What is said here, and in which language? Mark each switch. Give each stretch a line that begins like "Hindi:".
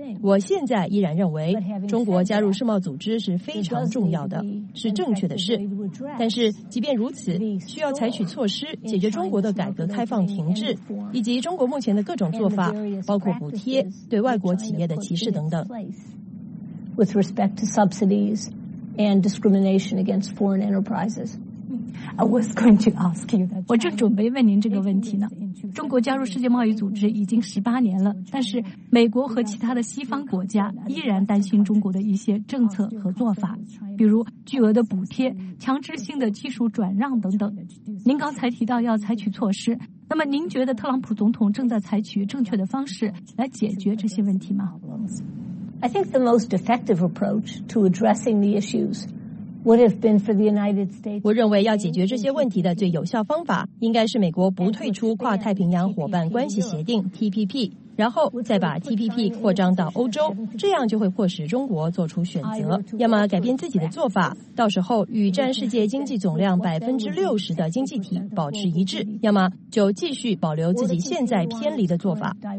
Chinese: 我现在依然认为中国加入世贸组织是非常重要的，是正确的事，但是即便如此，需要采取措施解决中国的改革开放停滞，以及中国目前的各种做法，包括补贴、对外国企业的歧视等等。
English: With respect to subsidies and discrimination against foreign enterprises, I was going to ask you that.
Chinese: 我正准备问您这个问题呢。中国加入世界贸易组织已经18年了，但是美国和其他的西方国家依然担心中国的一些政策和做法，比如巨额的补贴、强制性的技术转让等等。您刚才提到要采取措施，那么您觉得特朗普总统正在采取正确的方式来解决这些问题吗？
English: I think the most effective approach to addressing the issues would have been for the United States.
Chinese: 我认为要解决这些问题的最有效方法应该是美国不退出跨太平洋伙伴关系协定 TPP， 然后再把 TPP 扩张到欧洲，这样就会迫使中国做出选择，要么改变自己的做法，到时候与占世界经济总量 60% 的经济体保持一致，要么就继续保留自己现在偏离的做法。